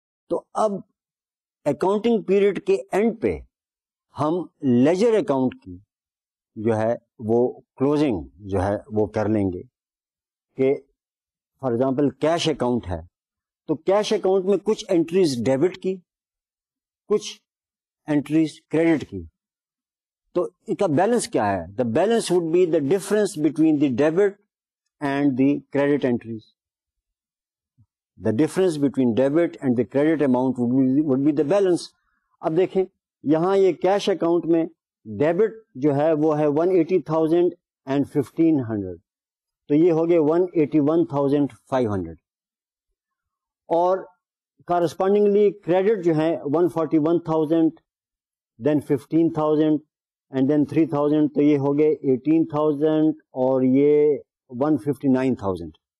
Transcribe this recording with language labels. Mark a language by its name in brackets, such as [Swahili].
[Urdu] تو اب accounting period کے اینڈ پہ ہم لیجر اکاؤنٹ کی جو ہے وہ کلوزنگ جو ہے وہ کر لیں گے کہ فار ایگزامپل کیش اکاؤنٹ ہے تو کیش اکاؤنٹ میں کچھ انٹریز ڈیبٹ کی, کچھ انٹریز کریڈٹ کی, تو اس کا بیلنس کیا ہے؟ [English] The balance would be the difference between the debit and the credit entries. The difference between debit and the credit amount would be the balance. [Urdu] اب دیکھیں یہاں یہ کیش اکاؤنٹ میں ڈیبٹ جو ہے وہ ہے 180,000 اینڈ 1500, تو یہ ہو گئے 181,500, اور کارسپونڈنگلی کریڈٹ جو ہے 141,000, دین 15,000 اینڈ دین 3,000, تو یہ ہو گئے 18,000 اور یہ 159,000.